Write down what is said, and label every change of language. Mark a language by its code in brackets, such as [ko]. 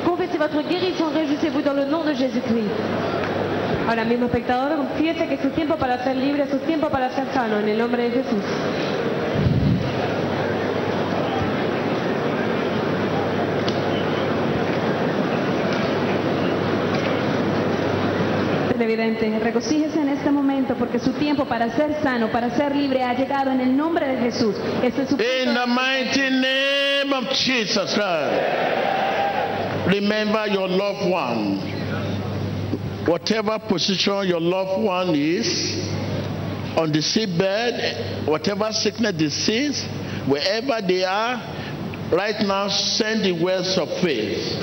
[fr] Confessez votre guérison et réjouissez-vous dans le nom de Jésus-Christ. [es] Ahora mismo, espectador, confiese que es su tiempo para ser libre, es su tiempo para ser sano, en el nombre de Jesús. Televidente, regocíjese en este momento porque su tiempo para ser sano, para ser libre, ha llegado en el nombre de Jesús. Este es su [en] in the mighty name of Jesus Christ, remember your loved one. Whatever position your loved one is, on the seabed, whatever sickness, disease, wherever they are, right now send the words of faith.